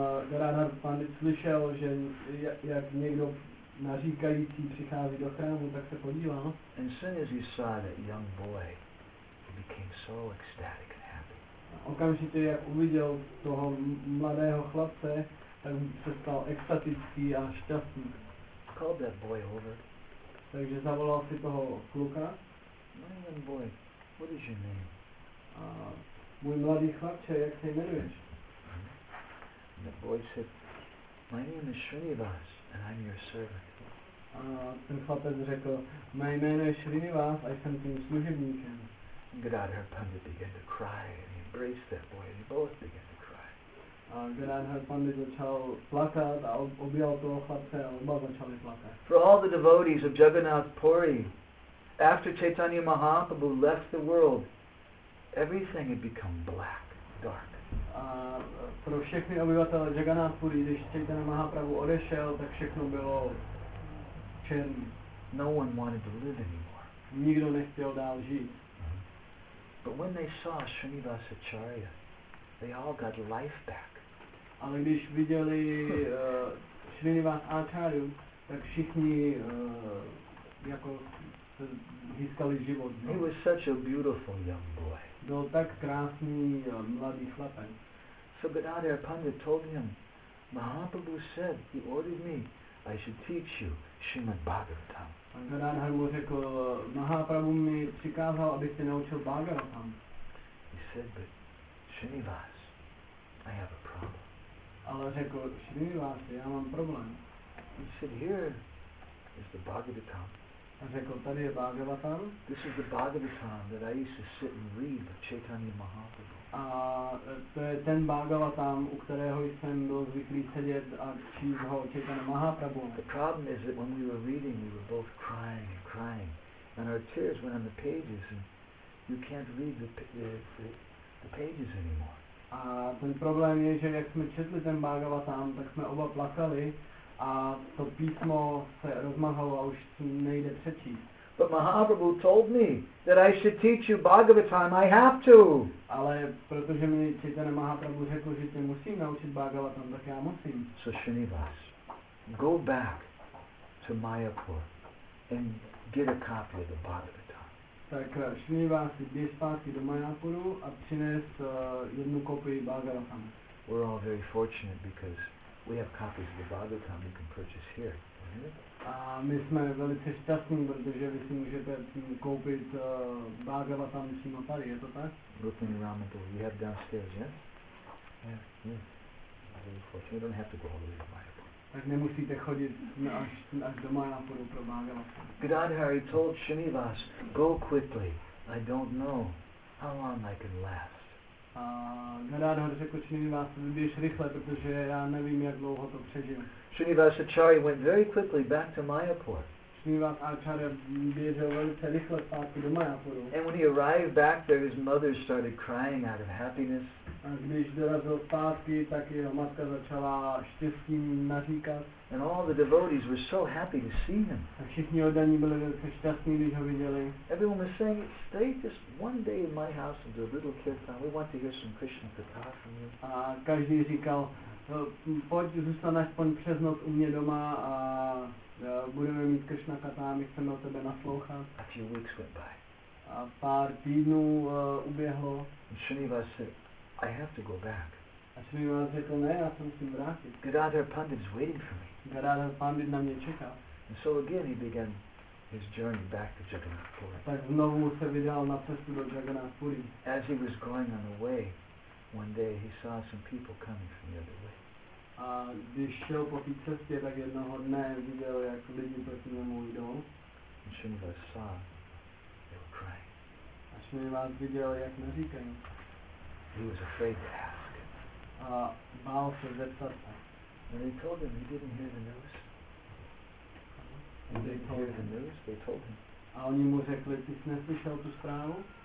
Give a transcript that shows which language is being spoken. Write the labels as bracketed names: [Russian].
[Czech] Gadadhar Pandit slyšel, že jak někdo naříkající přichází do chrámu, tak se podíval. [English] And as soon as he saw that young boy, he became so ecstatic and happy. [Czech] Okamžitě, jak uviděl toho mladého chlapce, tak se stal extatický a šťastný. [English] Called that boy over. [Czech] Takže zavolal si toho kluka. [English] My young boy, what is your name? [Czech] Můj mladý chlapče, jak se jmenuješ? [English] And the boy said, my name is Srinivas, and I'm your servant. [Czech] Ten chlapec řekl, mé jméno je Srinivas, a jsem tím služebníkem. [English] Gadadhar Pandit began to cry, and he embraced that boy, and they both began to cry. [Czech] Gadadhar Pandit začal plakat, a objal toho chlapce, a oba začali plakat. [English] For all the devotees of Jagannath Puri, after Chaitanya Mahaprabhu left the world, everything had become black, dark. [Czech] pro všechny obyvatele Jagannathpuri, když Chaitanya Mahaprabhu odešel, tak všechno bylo černý. [English] No one wanted to live anymore. [Czech] Nikdo nechtěl dál žít. [English] But when they saw Srinivas Acharya, they all got life back. [Czech] Ale když viděli Srinivas Acharyu, tak všichni jako získali život. [English] He was such a beautiful young boy. [Czech] Byl tak krásný mladý chlapec. [English] So Gadadhar Pandit told him, Mahaprabhu said, he ordered me, I should teach you Srimad Bhagavatam. [Czech] Pan Gadadhar mu řekl, Mahaprabhu mi přikázal, abych se naučil Bhagavatam. [English] He said, but Srinivas, I have a problem. [Czech] Ale řekl, Srinivas, já mám problém. [English] He said, here is the Bhagavatam. [Czech] A řekl, tady je Bhagavatam. [English] This is the Bhagavatam that I used to sit and read of Chaitanya Mahaprabhu. [Czech] A to je ten Bhagavatam, u kterého jsem byl zvyklý sedět a číst ho Chaitanya Mahaprabhu. [English] The problem is that when we were reading, we were both crying and crying. And our tears went on the pages and you can't read the pages anymore. [Czech] A ten problém je, že jak jsme četli ten Bhagavatam, tak jsme oba plakali. A to písmo se rozmahalo a už nejde přečíst. [English] But Mahaprabhu told me that I should teach you Bhagavatam, I have to. [Czech] Ale protože mi Chaitanya Mahaprabhu řekl, že tě musím naučit Bhagavatam, tak já musím. [English] So Srinivas, go back to Mayapur and get a copy of the Bhagavatam. [Czech] Tak Srinivas, běž zpátky do Mayapuru a přines jednu kopii Bhagavatam. [English] We're all very fortunate because we have copies of the Bhagavatam you can purchase here. [Czech] My jsme velice šťastní, protože vy si můžete koupit Bhagavatam přímo tady, je to tak? [English] Rukmini Ramapu, you have downstairs, yes? Yeah. Yeah. You don't have to go all the way to Mayapur. [Czech] Tak nemusíte chodit až do Mayapuru pro Bhagavatam. [English] Gadadhari told Srinivas, go quickly, I don't know how long I can last. [Czech] A Gadadhar řekl Srinivas, běž rychle, protože já nevím, jak dlouho to přežím. [English] Srinivas Acharya went very quickly back to Mayapur. [Czech] Srinivas Acharya běžel velice rychle zpátky do Mayapuru. [English] And when he arrived back there, his mother started crying out of happiness. [Czech] A když dorazil zpátky, tak jeho matka začala štěstím naříkat. [English] And all the devotees were so happy to see him. [Czech] A všichni oddaní byli velice šťastní, když ho viděli. [English] Everyone was saying, stay just one day in my house and do a little kirtan. We want to hear some Krishna katha from you. [Czech] A každý říkal, pojď zůstaň aspoň přes noc u mě doma a budeme mít Krishna katha, my chceme o tebe naslouchat. [English] A few weeks went by. [Czech] A pár týdnů uběhlo. [English] And Srinivas said, I have to go back. [Czech] A Srinivas řekl, ne, já se musím vrátit. [English] Gadadhar Pandit is waiting for me. [Czech] Gadadhar Pandit na mě čeká. [English] And so again he began his journey back to Jagannathpuri. [Czech] Tak znovu se vydal na cestu do Jagannathpuri. [English] As he was going on the way, one day he saw some people coming from the other way. [Czech] A když šel po té cestě, tak jednoho dne viděl, jak lidi proti němu jdou. [English] And Srinivas saw, they were crying. [Czech] A Srinivas viděl, jak naříkají. [English] He was afraid to ask. [Czech] A bál se zeptat. [English] And they told him he didn't hear the news. And they told him. [Czech] A oni mu řekli, ty jsi neslyšel tu zprávu?